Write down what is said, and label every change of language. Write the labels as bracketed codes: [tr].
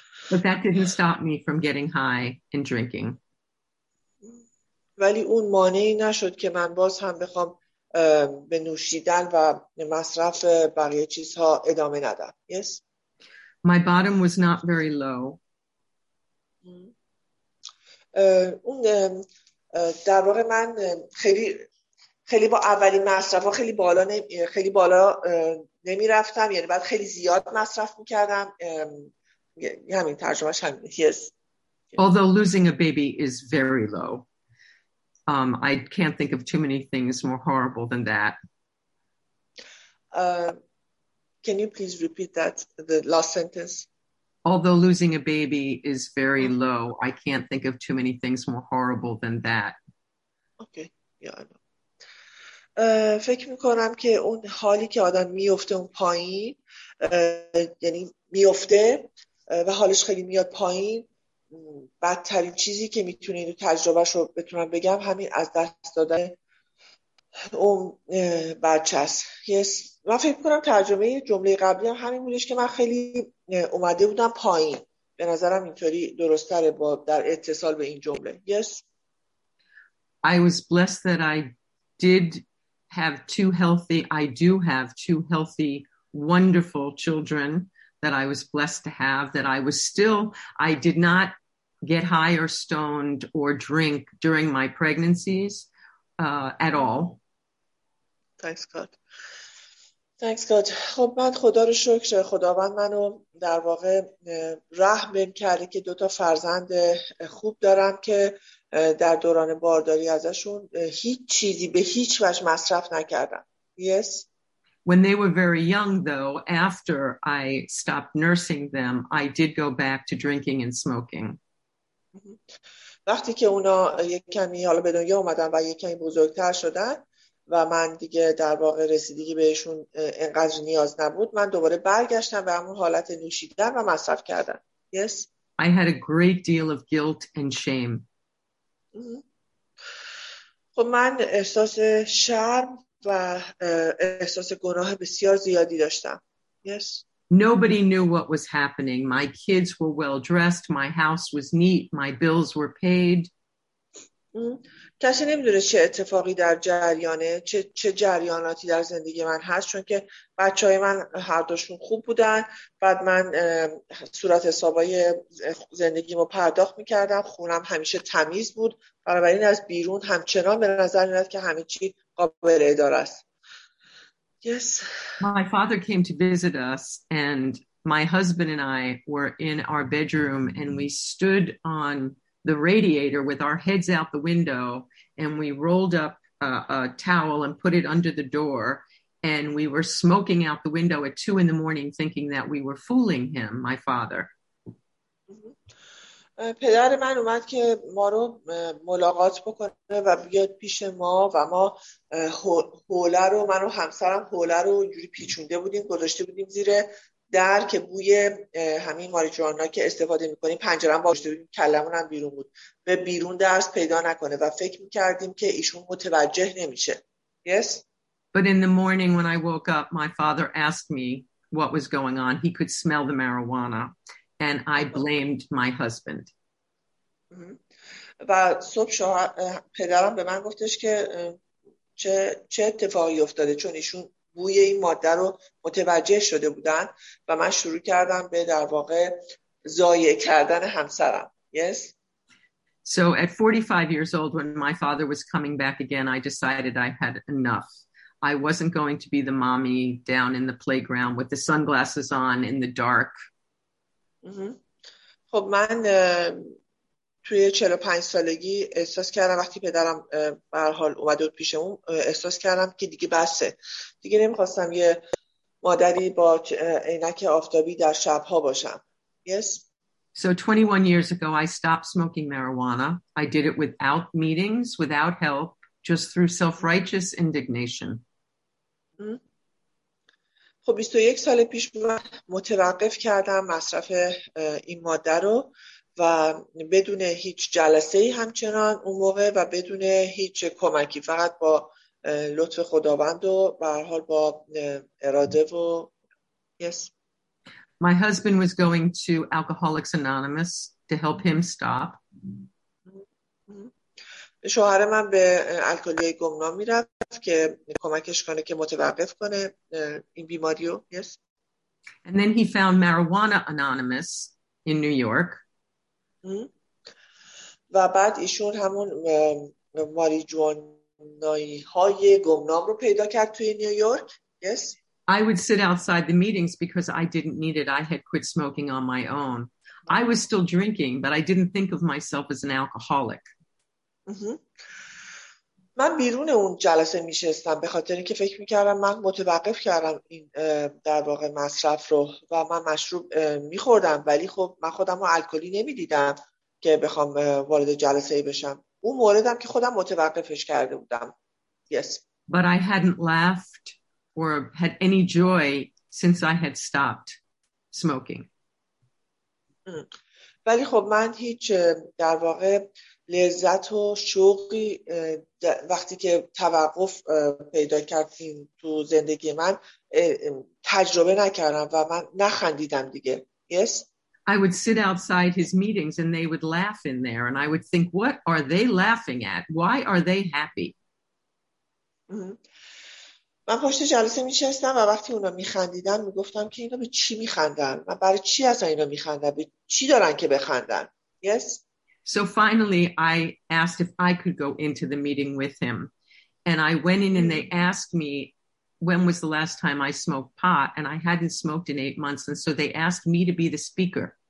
[en] But that didn't stop me from getting high and drinking. [fa] ولی اون مانعی نشد که من باز هم بخوام به نوشیدن و مصرف بقیه چیزها ادامه ندم. [en] Yes. My bottom was not very low. [fa] اون در واقع من خیلی با اولی مصرف ها خیلی بالا نمی رفتم، یعنی بعد خیلی زیاد مصرف میکردم. همین ترجمه شد. [en] Yes. Although losing a baby is very low, I can't think of too many things more horrible than that. Can you please repeat that, the last sentence? Although losing a baby is very low, I can't think of too many things more horrible than that. Okay. Yeah, I know. [fa] فکر میکنم که اون حالی که آدم میفته اون پایین یعنی میفته و حالش خیلی میاد پایین، بدترین چیزی که میتونه اینو تجربهش رو بتونم بگم همین از دست دادن اون بچه است. [en] Yes. [fa] من فکر میکنم ترجمه جمله قبلی هم همین بودش که من خیلی اومده بودم پایین، به نظرم اینطوری درست‌تره با در اتصال به این جمله. [en] Yes. I was blessed that I did have two healthy I do have two healthy wonderful children that I was blessed to have, that I was still, I did not get high or stoned or drink during my pregnancies at all. Thanks God. Thanks God. [fa] خب من خدا رو شکر خداوند منو در واقع رحم کرده که دوتا فرزند خوب دارم که در دوران بارداری ازشون هیچ چیزی به هیچ وجه مصرف نکردم. [en] Yes. When they were very young though, after I stopped nursing them, I did go back to drinking and smoking. [fa] وقتی که اونا یک کمی حالا به دنیا اومدن و یک کمی بزرگتر شدن و من دیگه در واقع رسیدگی بهشون انقدر نیاز نبود من دوباره برگشتم به همون حالت نوشیدن و مصرف کردم. [en] Yes. I had a great deal of guilt and shame. [fa] خب من احساس شرم و احساس گناه بسیار زیادی داشتم. [en] Yes. Nobody knew what was happening. My kids were well dressed, my house was neat, my bills were paid. [fa] کسی نمی‌دونه چه اتفاقی در جریانه چه جریاناتی در زندگی من هست چون که بچه‌های من هر دوشون خوب بودن بعد من صورت حسابای زندگیمو پرداخت می‌کردم خونم همیشه تمیز بود بنابراین از بیرون همچنان به نظر میاد که همه چی قابل اداره است. [en] Yes. My father came to visit us and my husband and I were in our bedroom and we stood on the radiator with our heads out the window and we rolled up a towel and put it under the door and we were smoking out the window at 2 in the morning thinking that we were fooling him, my father. [fa] پدر من اومد که ما رو ملاقات بکنه و بیاد پیش ما و ما حوله رو من و همسرم حوله رو جوری پیچونده بودیم گذاشته بودیم زیر در که بوی همین ماریجوانا که استفاده میکنیم پنجره هم باشته بودیم کلمون هم بیرون بود به بیرون درس پیدا نکنه و فکر میکردیم که ایشون متوجه نمیشه. [en] Yes. But in the morning when I woke up my father asked me what was going on. He could smell the marijuana and I blamed my husband. [fa] و صبح پدرم به من گفتش که چه اتفاقی افتاده چون ایشون بوی این ماده رو متوجه شده بودن و من شروع کردم به در واقع ضایع کردن همسرم. [en] Yes. So at 45 years old when my father was coming back again I decided I had enough. I wasn't going to be the mommy down in the playground with the sunglasses on in the dark. [fa] خب من توی 45 سالگی احساس کردم وقتی پدرم به هر حال اومده بود پیشمون احساس کردم که دیگه بسه دیگه نمیخواستم یه مادری با عینک آفتابی در شب ها باشم. [en] Yes. So 21 years ago I stopped smoking marijuana. I did it without meetings, without help, just through self-righteous indignation. [fa] خب 21 سال پیش من متوقف کردم مصرف این ماده رو و بدون هیچ جلسه ای همچنان اون موقع و بدون هیچ کمکی فقط با لطف خداوند و به هر حال با اراده و [en] Yes. My husband was going to Alcoholics Anonymous to help him stop. [fa] شوهر من به الکلیه گمنام میرفت که کمکش کنه که متوقف کنه این بیماری رو. [en] Yes. And then he found Marijuana Anonymous in New York. [fa] و بعد ایشون همون ماریجوانایی های گمنام رو پیدا کرد توی نیویورک. [en] Yes. I would sit outside the meetings because I didn't need it. I had quit smoking on my own. I was still drinking, but I didn't think of myself as an alcoholic. [fa] من بیرون اون جلسه میشستم به خاطر اینکه فکر میکردم من متوقف کردم این در واقع مصرف رو و من مشروب میخوردم ولی خب من خودم رو الکلی نمیدیدم که بخوام وارد جلسه بشم اون موردم که خودم متوقفش کرده بودم. [en] Yes. But I hadn't laughed or had any joy since I had stopped smoking. [fa] ولی خب من هیچ در واقع لذت و شوقی وقتی که توقف پیدا کردیم تو زندگی من تجربه نکردم و من نخندیدم دیگه. [en] Yes. I would sit outside his meetings and they would laugh in there and I would think what are they laughing at? Why are they happy? [fa] من پشت جلسه میشستم و وقتی اونا میخندیدن میگفتم که اینا به چی میخندن؟ من برای چی از اینا میخندن؟ به چی دارن که بخندن؟ [en] Yes. So finally, I asked if I could go into the meeting with him. And I went in and they asked me, when was the last time I smoked pot? And I hadn't smoked in 8 months. And so they asked me to be the speaker.